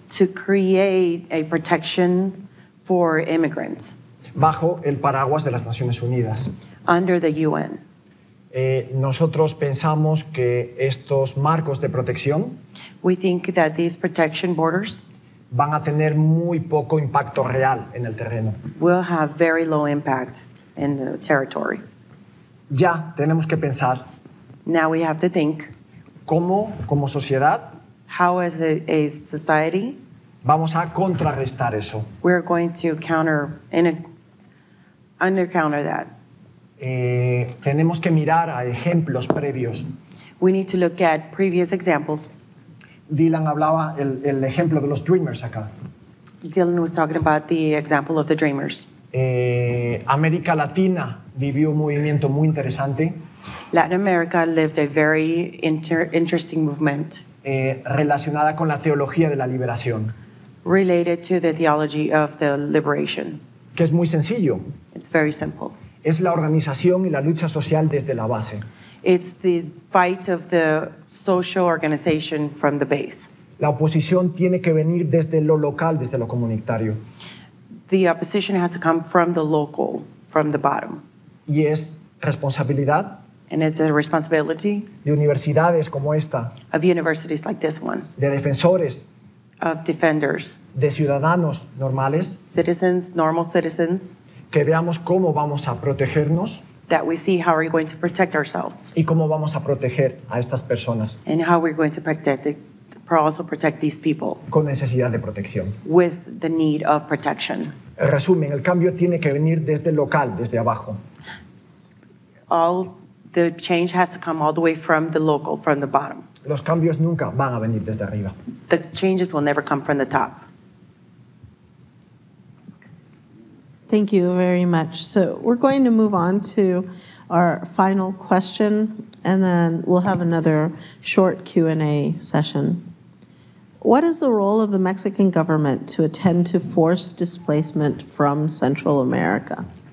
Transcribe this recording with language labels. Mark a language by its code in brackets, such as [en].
[en] To create a protection for immigrants. [es] Bajo el paraguas de las Naciones Unidas. [en] Under the UN. [es] Nosotros pensamos que estos marcos de protección. [en] We think that these protection borders. [es] Van a tener muy poco impacto real en el terreno. [en] Will have very low impact in the territory. [es] Ya tenemos que pensar. [en] Now we have to think. [es] ¿Cómo, como sociedad? [en] How as a society? [es] Vamos a contrarrestar eso. [en] We are going to undercounter that. [es] Tenemos que mirar a ejemplos previos. [en] We need to look at previous examples. [es] Dylan hablaba el ejemplo de los dreamers acá. [en] Dylan was talking about the example of the dreamers. [es] América Latina vivió un movimiento muy interesante. [en] Latin America lived a very interesting movement. [es] Relacionada con la teología de la liberación. [en] Related to the theology of the liberation. [es] Que es muy sencillo. [en] It's very simple. [es] Es la organización y la lucha social desde la base. [en] It's the fight of the social organization from the base. [es] La oposición tiene que venir desde lo local, desde lo comunitario. [en] The opposition has to come from the local, from the bottom. [es] Y es responsabilidad. [en] And it's a responsibility. [es] De universidades como esta. [en] Of universities like this one. [es] De defensores. [en] Of defenders. [es] De ciudadanos normales. [en] Citizens, normal citizens. [es] Que veamos cómo vamos a protegernos. [en] That we see how we're going to protect ourselves. [es] Y cómo vamos a proteger a estas personas. [en] And how we're going to protect these people. [es] Con necesidad de protección. [en] With the need of protection. [es] El resumen, el cambio tiene que venir desde local, desde abajo. [en] All the change has to come all the way from the local, from the bottom. [es] Los cambios nunca van a venir desde arriba. [en] The changes will never come from the top. Thank you very much. So we're going to move on to our final question, and then we'll have another short Q&A session. What is the role of the Mexican government to attend to forced displacement from Central America?